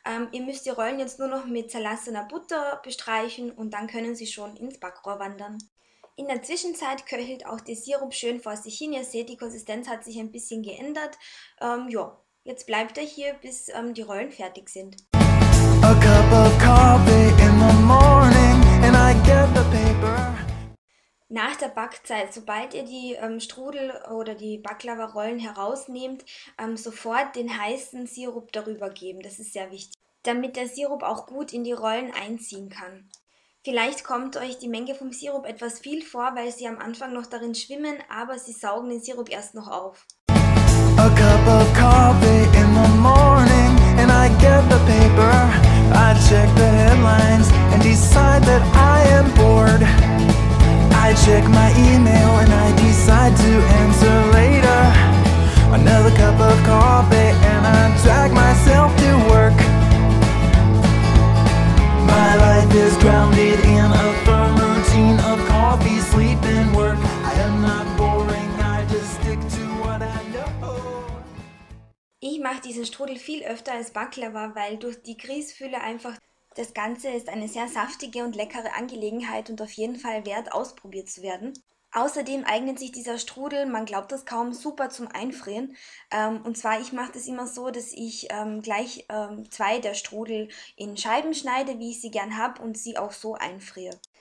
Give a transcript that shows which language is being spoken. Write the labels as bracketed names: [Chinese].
[German] Ihr müsst die Rollen jetzt nur noch mit zerlassener Butter bestreichen und dann können sie schon ins Backrohr wandern. In der Zwischenzeit köchelt auch der Sirup schön vor sich hin. Ihr seht, die Konsistenz hat sich ein bisschen geändert. Ja, jetzt bleibt er hier, bis die Rollen fertig sind. [English] A cup of coffee in the morning and I get the paper. [German] Nach der Backzeit, sobald ihr die Strudel oder die Baklava-Rollen herausnehmt, sofort den heißen Sirup darüber geben. Das ist sehr wichtig, damit der Sirup auch gut in die Rollen einziehen kann. Vielleicht kommt euch die Menge vom Sirup etwas viel vor, weil sie am Anfang noch darin schwimmen, aber sie saugen den Sirup erst noch auf. [English] A cup of coffee in the morning and I get the paper. I check the headlines and decide that I am bored. I check my email and I decide to answer later. Another cup of coffee and I drag myself to work. My life is grounded in a firm routine of coffee, sleep and work. I am not boring, I just stick to what I know. [German] Ich mache diesen Strudel viel öfter als Baklava, weil durch die Grießfülle einfach das Ganze ist eine sehr saftige und leckere Angelegenheit und auf jeden Fall wert, ausprobiert zu werden. Außerdem eignet sich dieser Strudel, man glaubt es kaum, super zum Einfrieren. Und zwar, ich mache das immer so, dass ich gleich zwei der Strudel in Scheiben schneide, wie ich sie gern habe, und sie auch so einfriere.